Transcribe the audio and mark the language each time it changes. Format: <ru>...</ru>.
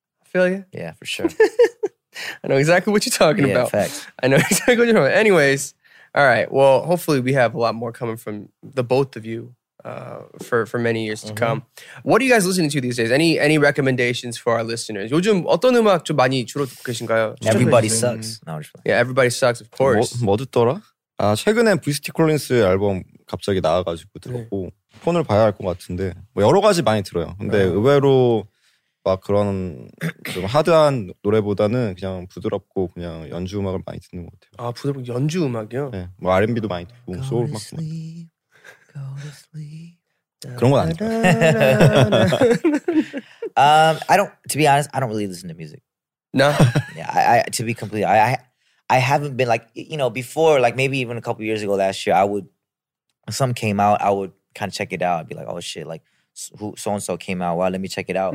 <en>I feel you. Yeah, for sure. I know exactly what you're talking about. Facts. I know exactly what you're talking about. Anyways, all right. Well, hopefully we have a lot more coming from the both of you. For many years to come. What are you guys listening to these days? Any recommendations for our listeners?</en> <ko>요즘 어떤 음악 좀 많이 주로 듣고 계신가요?</ko> <en>Everybody sucks. Yeah, everybody sucks, of course.</en> <ko>뭐 듣더라? 아, 최근에 VST Collins 앨범 갑자기 나와가지고 들었고 네. 폰을 봐야 할 것 같은데 뭐 여러 가지 많이 들어요. 근데 의외로 막 그런 좀 하드한 노래보다는 그냥 부드럽고 그냥 연주 음악을 많이 듣는 것 같아요. 아, 부드럽고 연주 음악이요? 네. 뭐 R&B도 많이 듣고 소울 음악 많이 듣고 그런 건 아닙니다.</ko> <en>I don't. To be honest, I don't really listen to music. No. Yeah. I haven't been like, you know, before. Like maybe even a couple years ago, last year, I would. When some came out. I would kind of check it out. I'd be like, oh shit! Like, so and so came out. Well, let me check it out.</en>